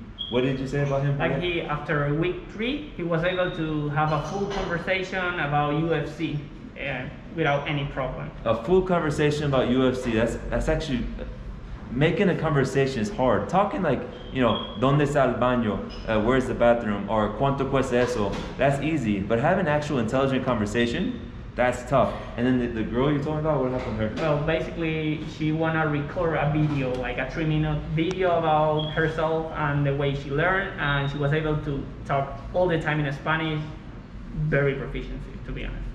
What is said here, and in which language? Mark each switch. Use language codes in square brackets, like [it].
[en] what did you say about him? Like he, after week 3, he was able to have a full conversation about UFC without any problem. A full conversation about UFC, that's actually, making a conversation is hard. Talking like, you know, [es] ¿dónde está el baño? [en] Where's the bathroom? Or [es] ¿cuánto cuesta eso? [en] That's easy. But having actual intelligent conversation, that's tough. And then the girl you're talking about, what happened to her? Well, basically, she want to record a video, like a 3-minute video about herself and the way she learned. And she was able to talk all the time in Spanish, very proficiently, to be honest.